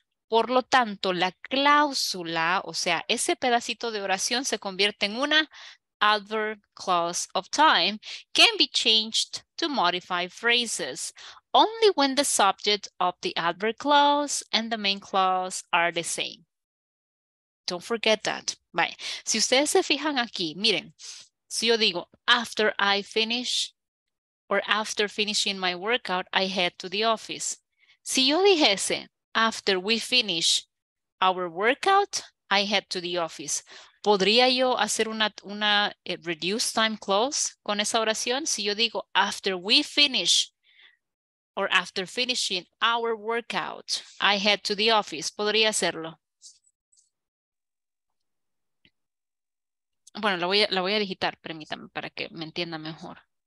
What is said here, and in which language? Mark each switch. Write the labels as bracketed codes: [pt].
[es] Por lo tanto, la cláusula, o sea, ese pedacito de oración se convierte en una [en] adverb clause of time, can be changed to modify phrases only when the subject of the adverb clause and the main clause are the same. Don't forget that. Bye. [es] Si ustedes se fijan aquí, miren, si yo digo [en] after I finish or after finishing my workout, I head to the office. [es] Si yo dijese [en] after we finish our workout, I head to the office. [es] ¿Podría yo hacer una [en] reduced time clause [es] con esa oración? Si yo digo [en] after we finish or after finishing our workout, I head to the office. [es] ¿Podría hacerlo? Bueno, la voy a digitar, permítanme, para que me entienda mejor.